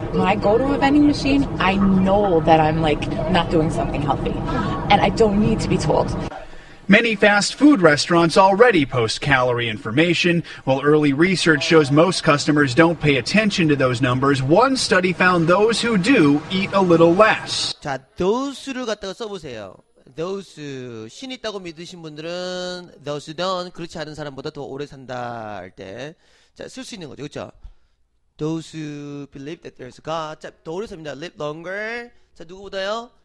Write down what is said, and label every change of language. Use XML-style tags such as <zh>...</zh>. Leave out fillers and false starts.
<en>When I go to a vending machine, I know that I'm, like, not doing something healthy. And I don't need to be told. Many fast food restaurants already post calorie information. While early research shows most customers don't pay attention to those numbers, one study found those who do eat a little less.</en> <ko>자, those를 갖다가 써보세요. Those, 신 있다고 믿으신 분들은</ko> <en>those don't,</en> <ko>그렇지 않은 사람보다 더 오래 산다 할 때 쓸 수 있는 거죠, 그렇죠?</ko> <en>Those who believe that there's God,</en> <ko>자, 더 오래 삽니다.</ko> <en>Live longer,</en> <ko>자, 누구보다요?</ko>